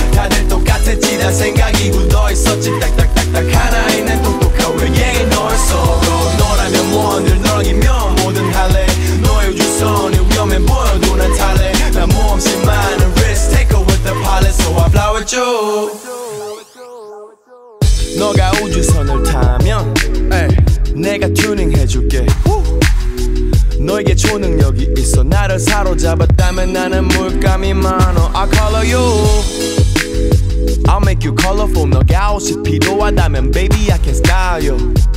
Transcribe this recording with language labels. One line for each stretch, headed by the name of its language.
Korean: 다들 똑같았지 난 생각이 굳어있었지. 딱딱딱딱 하나의 난 똑똑한 외계인 너였어. 너라면 뭐 늘 너라면 뭐든 할래. 너의 우주선이 위험해 보여도 난 탈해. 난 모험심 많은
English: risk take over the pilot so I fly with you.
Korean: 너가 우주선을 타면 에이, 내가 튜닝해줄게. 너에게 초능력이 있어 나를 사로잡았다면 나는 물감이 많어.
English: I color you, I'll make you colorful.
Korean: 너가 옷이 필요하다면
English: baby I can style you.